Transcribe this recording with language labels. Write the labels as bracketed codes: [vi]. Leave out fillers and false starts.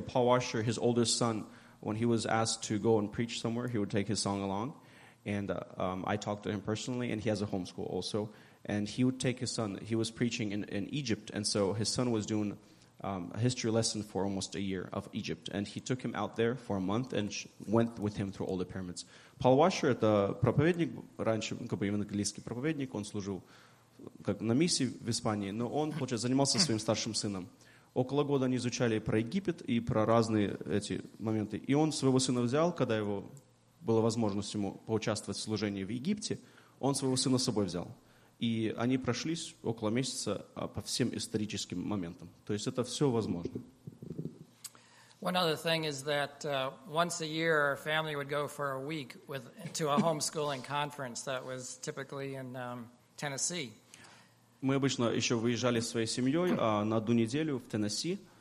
[en] Paul Washer, his oldest son, when he was asked to go and preach somewhere, he would take his song along, and I talked to him personally, and he has a homeschool also, and he would take his son. He was preaching in Egypt, and so his son was doing a history lesson for almost a year of Egypt, and he took him out there for a month and went with him through all the pyramids. [ru] Paul Washer, это проповедник, раньше, как бы, евангелистский проповедник, он служил как на миссии в Испании, но он, получается, занимался своим старшим сыном. Около года они изучали про Египет и про разные эти моменты. И он своего сына взял, когда его была возможность ему поучаствовать в служении в Египте, он своего сына с собой взял. И они прошлись около месяца по всем историческим моментам. То есть это все возможно. [en] One other thing is that once a year our family would go for a week to a homeschooling conference that was typically in Tennessee. [ru] Мы обычно еще выезжали своей семьей на 1 неделю в Теннесси.